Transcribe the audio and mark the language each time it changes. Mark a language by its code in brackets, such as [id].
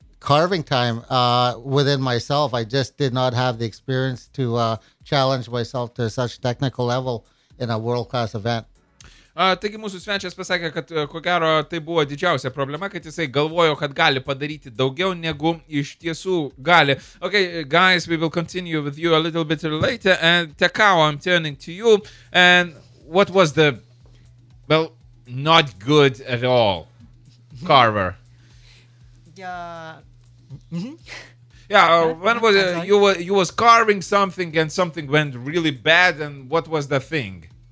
[en] carving time within myself. I just did not have the experience to challenge myself to such technical level in a world-class event. [lt] Taigi mūsų svečias pasakė, kad ko gero tai buvo didžiausia problema, kad jisai galvojo, kad gali padaryti daugiau negu iš tiesų gali. [en] Okay, guys, we will continue with you a little bit later, and Tekao, I'm turning to you, and what was the, well, not good at all, carver? When was you were carving something and something went really bad, and what was the thing?